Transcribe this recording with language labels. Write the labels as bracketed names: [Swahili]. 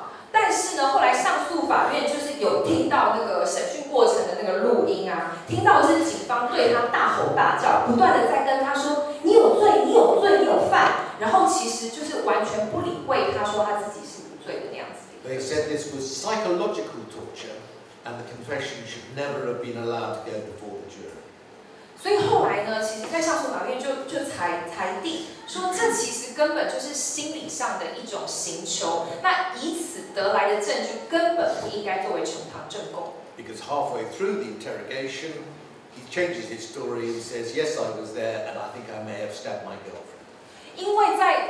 [Chinese] 但是呢，后来上诉法院就是有听到那个审讯过程的那个录音啊，听到是警方对他大吼大叫，不断的在跟他说：“你有罪，你有罪，你有犯。”然后其实就是完全不理会他说他自己是无罪的那样子。 [English] They said this was psychological torture, and the confession should never have been allowed to go before the jury. [Chinese] 所以后来呢，其实，在上诉法院就裁定说，这其实根本就是心理上的一种刑求，那以此得来的证据根本不应该作为呈堂证供。 [English] Because halfway through the interrogation, he changes his story and says, "Yes, I was there, and I think I may have stabbed my girlfriend."